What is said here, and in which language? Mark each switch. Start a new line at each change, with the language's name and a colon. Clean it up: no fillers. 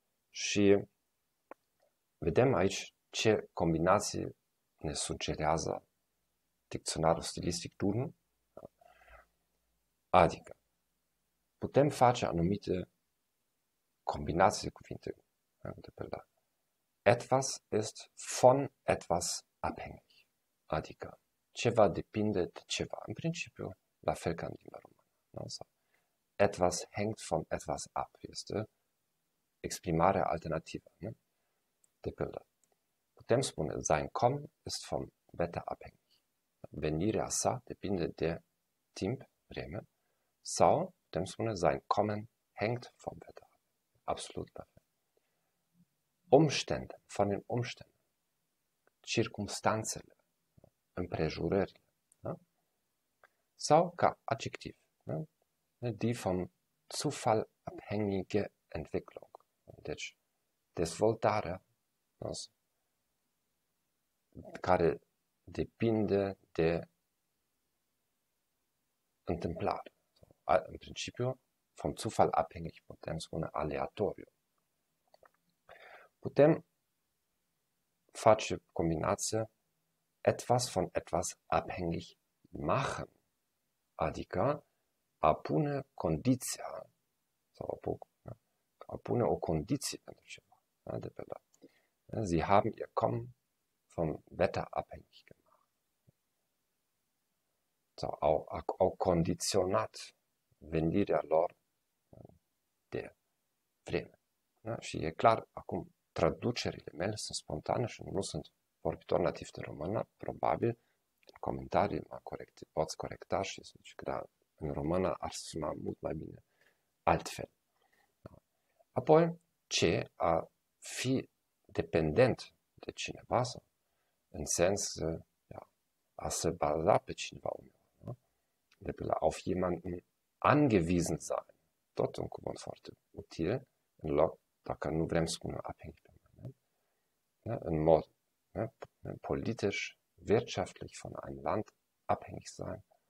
Romanian: Și vedem aici ce combinații ne sugerează dicționarul stilistic Duden. Adică, putem face anumite combinații de cuvinte.
German: Etwas ist von etwas abhängig.
Romanian: Adică, ceva depinde de ceva. În principiu, la fel ca în limba română.
German: Etwas hängt von etwas ab.
Romanian: Este exprimarea alternativă. Ne? De pildă. Putem spune,
German: sein Kommen ist vom Wetter abhängig.
Romanian: Venirea sa depinde de timp, vreme, sau, putem spune,
German: sein Kommen hängt vom Wetter.
Romanian: Absolut perfect.
German: Umstände, von den Umständen.
Romanian: Circumstanțele, împrejurările. Da? Sau, ca adjectiv, da?
German: Die vom Zufall abhängige Entwicklung.
Romanian: Deci, dezvoltarea, da? Care depinde de întâmplare. În principiu,
German: vom Zufall abhängig,
Romanian: putem spune aleatoriu. Putem face combinație
German: etwas von etwas abhängig machen,
Romanian: adică a pune condiția, sau a pune o condiție pentru ceva.
German: Sie haben ihr Kommen vom Wetter abhängig gemacht.
Romanian: Sau au condiționat venirea lor de vreme. Da? Și e clar, acum, traducerile mele sunt spontane și nu sunt vorbitor nativ de română. Probabil, în comentarii poți corecta și zici că da, în română ar suna mult mai bine altfel. Da? Apoi, ce a fi dependent de cineva, sau, în sens da, a se baza pe cineva unul. De pildă,
German: auf jemanden angewiesen sein.
Romanian: Tot un cuvânt foarte util, în loc, dacă nu vrem spune abhängig, în mod
German: politisch, wirtschaftlich von einem Land abhängig sein.